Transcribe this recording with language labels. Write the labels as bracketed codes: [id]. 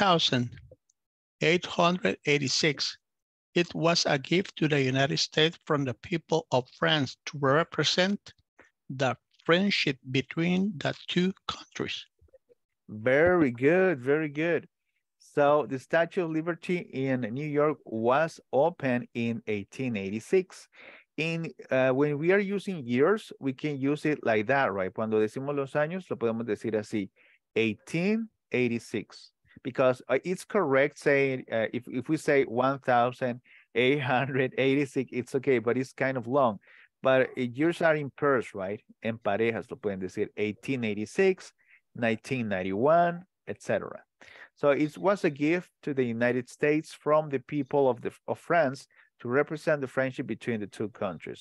[en] 1886. It was a gift to the United States from the people of France to represent the friendship between the two countries. Very good, very good. So the Statue of Liberty in New York was opened in 1886. When we are using years, we can use it like that, right? [es] Cuando decimos los años, lo podemos decir así, 1886. [en] Because it's correct saying, if we say 1886, it's okay, but it's kind of long. But years are in pairs, right? [es] En parejas, lo pueden decir, 1886, 1991, etc. [en] So it was a gift to the United States from the people of France to represent the friendship between the two countries.